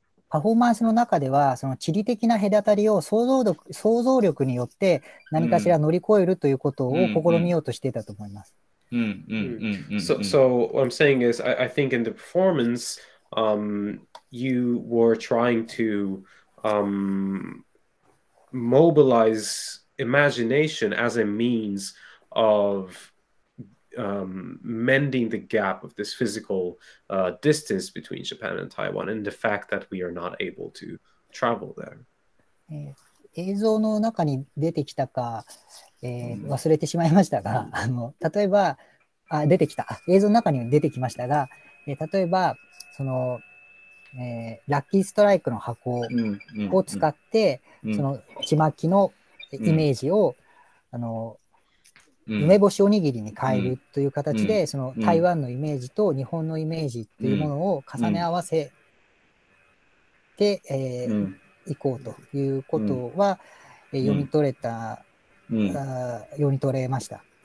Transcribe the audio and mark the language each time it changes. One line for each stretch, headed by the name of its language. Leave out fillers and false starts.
Japanese: パフォーマンスの中ではその地理的な隔たりを想像力によって何かしら乗り越えるということを試みようとしていたと思います。
English: So what I'm saying is, I think in the performance, you were trying to mobilize imagination as a means of mending the gap of this physical distance between Japan and Taiwan and the fact that we are not able to travel there.
Japanese: 映像の中に出てきたか、忘れてしまいましたが、あの、例えば、あ、出てきた。映像の中に出てきましたが、例えば、その、ラッキーストライクの箱を使って、その、ちまきのイメージを、あの、梅干しおにぎりに変えるという形で、その台湾のイメージと日本のイメージというものを重ね合わせて、いこうということは、読み取れた、読み取れました。